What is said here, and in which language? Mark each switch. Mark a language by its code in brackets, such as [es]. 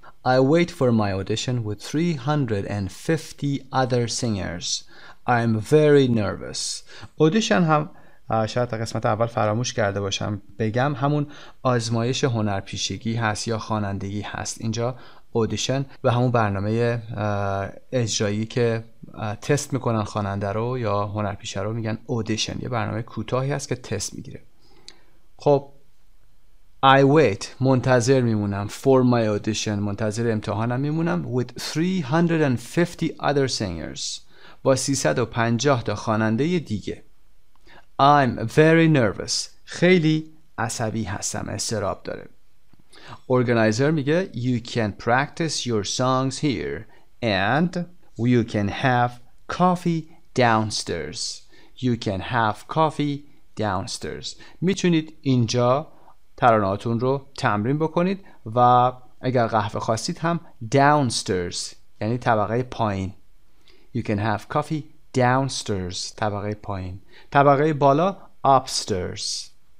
[en] I wait for my audition with 350 other singers. I'm very nervous. [fa] اودیشن هم شاید تا قسمت اول فراموش کرده باشم بگم همون آزمایش هنرپیشگی هست یا خوانندگی هست. اینجا اودیشن و همون برنامه اجرایی که تست میکنن خواننده رو یا هنرپیشه رو میگن اودیشن، یه برنامه کوتاهی هست که تست میگیره. خب [en] I wait، [fa] منتظر میمونم. [en] For my audition، [fa] منتظر امتحانم میمونم. [en] With 350 other singers، [fa] با 350 تا خواننده دیگه. [en] I'm very nervous، [fa] خیلی عصبی هستم، استراب داره. [en] Organizer [fa] میگه [en] You can practice your songs here and you can have coffee downstairs. You can have coffee downstairs. [fa] میتونید اینجا ترانهاتون رو تمرین بکنید و اگر قهوه خواستید هم downstairs یعنی طبقه پایین. [en] You can have coffee downstairs، [fa] طبقه پایین. طبقه بالا upstairs.